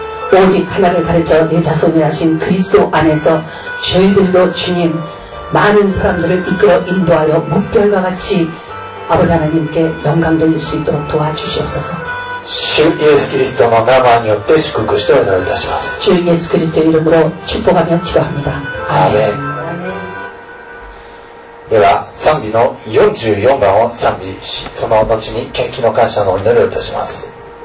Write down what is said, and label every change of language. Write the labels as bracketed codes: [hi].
[ko] 오직하나님을가르쳐내자손이라하신그리스도안에서저희들도주님많은사람들을이끌어인도하여무별과같이아버지하나님께영광돌릴수있도록도와주시옵소서 주예수그리스도의나라 [ja] によって祝福してお祈りいたします。 [ko] 주예수그리스도의이름으로축복하며기도합니다 [ja] 아멘では賛美の44番を賛美しその後に献金の感謝のお祈りをいたします。